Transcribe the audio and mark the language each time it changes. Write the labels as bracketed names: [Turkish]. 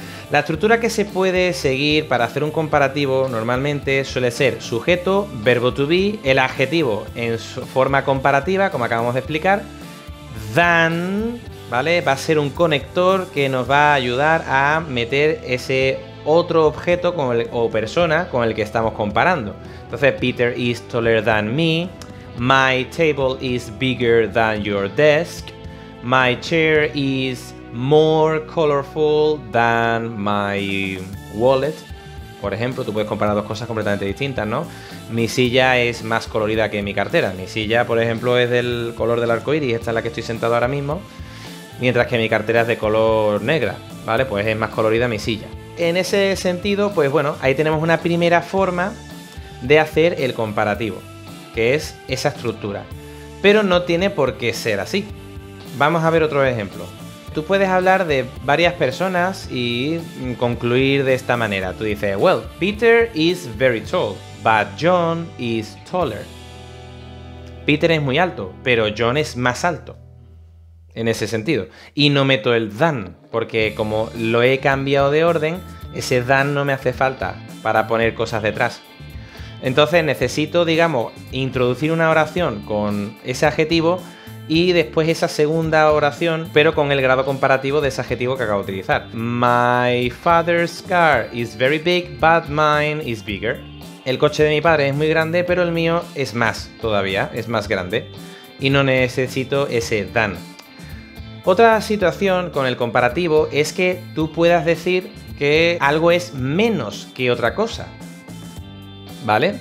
[Spanish] La estructura que se puede seguir para hacer un comparativo normalmente suele ser sujeto, verbo to be, el adjetivo en su forma comparativa, como acabamos de explicar, than, ¿vale? Va a ser un conector que nos va a ayudar a meter ese otro objeto con el, o persona con el que estamos comparando. [English] Entonces, Peter is taller than me, my table is bigger than your desk, my chair is more colorful than my wallet. [Spanish] Por ejemplo, tú puedes comparar dos cosas completamente distintas, ¿no? Mi silla es más colorida que mi cartera. Mi silla, por ejemplo, es del color del arco iris. Esta es la que estoy sentado ahora mismo. mientras que mi cartera es de color negra, ¿vale? Pues es más colorida mi silla. En ese sentido, pues bueno, ahí tenemos una primera forma de hacer el comparativo, que es esa estructura. Pero no tiene por qué ser así. Vamos a ver otro ejemplo. Tú puedes hablar de varias personas y concluir de esta manera. Tú dices, [English] well, Peter is very tall, but John is taller. [Spanish] Peter es muy alto, pero John es más alto. En ese sentido. Y no meto el than, porque como lo he cambiado de orden, ese than no me hace falta para poner cosas detrás. Entonces necesito, digamos, introducir una oración con ese adjetivo y después esa segunda oración, pero con el grado comparativo de ese adjetivo que acabo de utilizar. [English] My father's car is very big, but mine is bigger. [Spanish] El coche de mi padre es muy grande, pero el mío es más todavía, es más grande. Y no necesito ese than. Otra situación con el comparativo es que tú puedas decir que algo es menos que otra cosa. ¿Vale?